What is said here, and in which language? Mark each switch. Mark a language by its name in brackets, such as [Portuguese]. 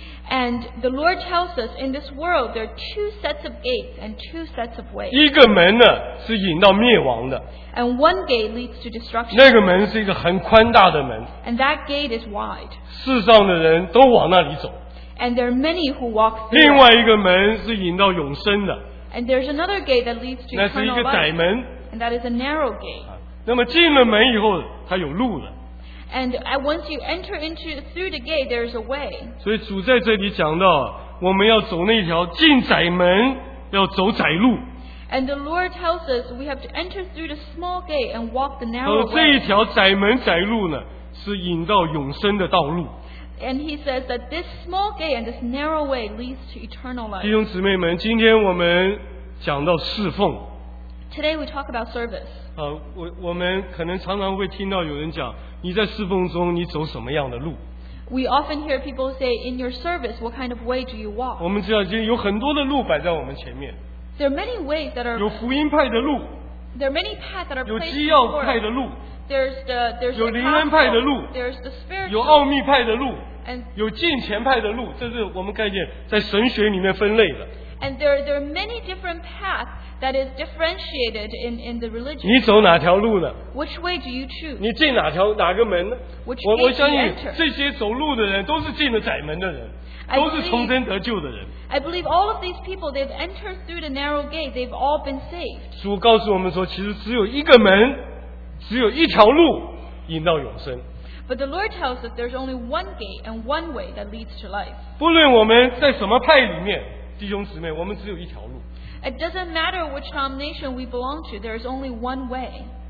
[English] And the Lord tells us in this world there are two sets of gates and two sets of ways. [Chinese] 一个门呢是引到灭亡的。 [English] And one gate leads to destruction. [Chinese] 那个门是一个很宽大的门。 [English] And that gate is wide. [Chinese] 世上的人都往那里走。 [English] And there are many who walk through. [Chinese] 另外一个门是引到永生的。 [English] And there's another gate that leads to eternal life. [Chinese] 那是一个窄门。 [English] And that is a narrow gate. [Chinese] 那么进了门以后，它有路了。 [English] And once you enter into through the gate, there is a way. [Chinese] 所以主在这里讲到，我们要走那条进窄门，要走窄路。 [English] And the Lord tells us we have to enter through the small gate and walk the narrow way. [Chinese] 这一条窄门窄路呢，是引到永生的道路。 [English] And he says that this small gate and this narrow way leads to eternal life. [Chinese] 弟兄姊妹们，今天我们讲到侍奉。 [English] Today we talk about service. [Chinese] 我们可能常常会听到有人讲，你在侍奉中你走什么样的路？ [English] We often hear people say, in your service, what kind of way do you walk? [Chinese] 我们知道今天有很多的路摆在我们前面。 [English] There are many ways that are [Chinese] 有福音派的路。 [English] There are many paths that are [Chinese] 有基要派的路。 [English] There's [Chinese] 有灵恩派的路。 [English] There's the spiritual [Chinese] 有奥秘派的路。 [English] And [Chinese] 有近前派的路，这是我们看见在神学里面分类的。 [English] And there are many different paths that is differentiated in the religion. [Chinese] 你走哪条路呢？ [English] Which way do you choose? [Chinese] 你进哪条哪个门呢？ [English] Which gate do you enter? [Chinese] 我相信这些走路的人都是进了窄门的人，都是重生得救的人。 [English] I believe all of these people, they've entered through the narrow gate, they've all been saved. [Chinese] 主告诉我们说，其实只有一个门，只有一条路引到永生。 [English] But the Lord tells us there's only one gate and one way that leads to life. [Chinese] 不论我们在什么派里面，弟兄姊妹，我们只有一条路。 [English] It doesn't matter which denomination we belong to, there is only one way.